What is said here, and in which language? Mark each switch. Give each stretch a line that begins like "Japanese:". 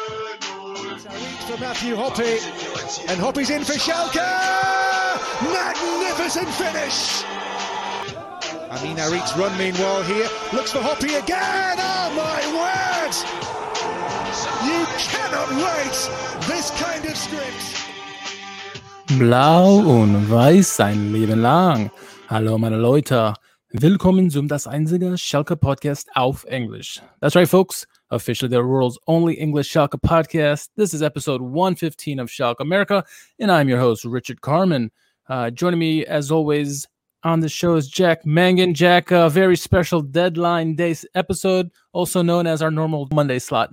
English: To Matthew Hoppe, and Hoppe's in for Schalke. Magnificent finish. Amin Arik's run meanwhile here looks for Hoppe again. Oh my word, you cannot write this kind of script.
German: Blau und weiß sein Leben lang. Hallo meine Leute, willkommen zum Das Einzige Schalke Podcast auf Englisch.
English: That's right folks, officially the world's only English Schalke podcast. This is episode 115 of Schalke America, and I'm your host, Richard Carman. Joining me, as always, on the show is Jack Mangan. Jack, a very special deadline day episode, also known as our normal Monday slot.